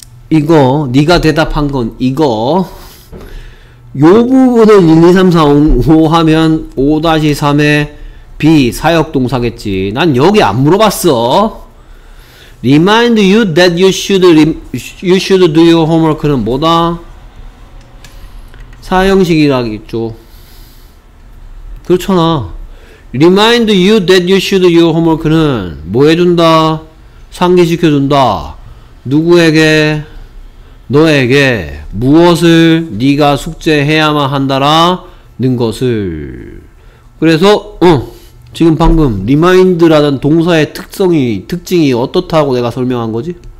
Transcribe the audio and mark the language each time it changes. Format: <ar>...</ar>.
<ko>이거 네가 대답한 건 이거 요 부분을 1, 2, 3, 4, 5 하면 5-3의 B 사역동사겠지. 난 여기 안 물어봤어.</ko> <en>Remind you that you should do your homework는 뭐다?</en> <ko>사형식이라겠죠. 그렇잖아.</ko> <en>Remind you that you should do your homework는 뭐 해준다?</en> <ko>상기시켜준다. 누구에게? 너에게 무엇을 네가 숙제해야만 한다라는 것을. 그래서 지금 방금 리마인드라는 동사의 특징이 어떻다고 내가 설명한 거지?</ko>